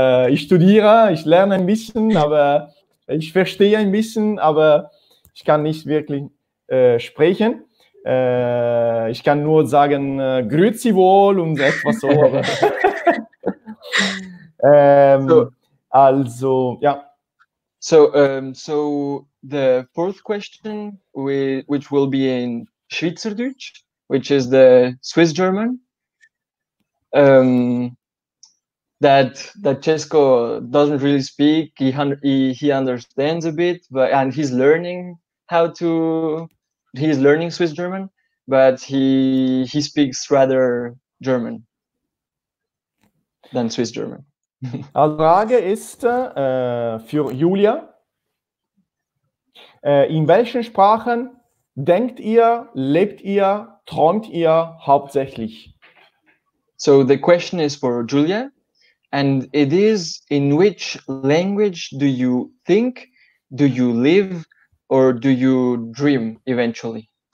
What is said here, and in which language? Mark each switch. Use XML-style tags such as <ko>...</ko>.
<de>ich studiere, ich lerne ein bisschen, aber ich verstehe ein bisschen, aber ich kann nicht wirklich sprechen. Ich kann nur sagen, grüezi wohl und etwas so.</de> <en>So, so the fourth question, which will be in Schweizerdeutsch, which is the Swiss German, that Cesco doesn't really speak. He understands a bit, but and he's learning Swiss German, but he speaks rather German than Swiss German.</en> <de>Die Frage ist für Julia, in welchen Sprachen denkt ihr, lebt ihr, träumt ihr hauptsächlich?</de> <en>So the question is for Julia, and it is, in which language do you think, do you live, or do you dream eventually?</en>